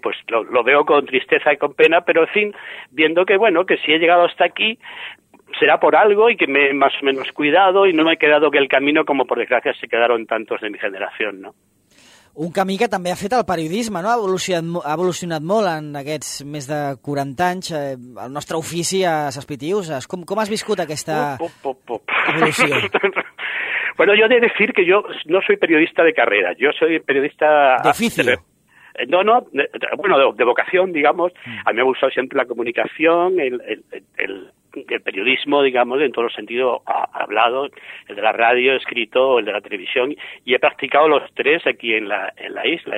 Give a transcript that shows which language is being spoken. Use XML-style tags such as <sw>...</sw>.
<es>Pues lo veo con tristeza y con pena, pero en fin, viendo que, bueno, que si he llegado hasta aquí será por algo y que me he más o menos cuidado y no me he quedado que el camino, como por desgracia se quedaron tantos de mi generación, ¿no?</es> <ca>Un camí que també ha fet el periodisme, no? Ha evolucionat molt en aquests més de 40 anys, el nostre ofici a Ses Pitiüses. Com has viscut aquesta evolució?</ca> <es>Bueno, yo he de decir que yo no soy periodista de carrera, yo soy periodista... D'oficio. No, bueno, de vocación, digamos. A mí me ha gustado siempre la comunicación, el periodismo, digamos, en todos los sentidos, ha hablado, el de la radio, escrito, el de la televisión, y he practicado los tres aquí en la isla.</es>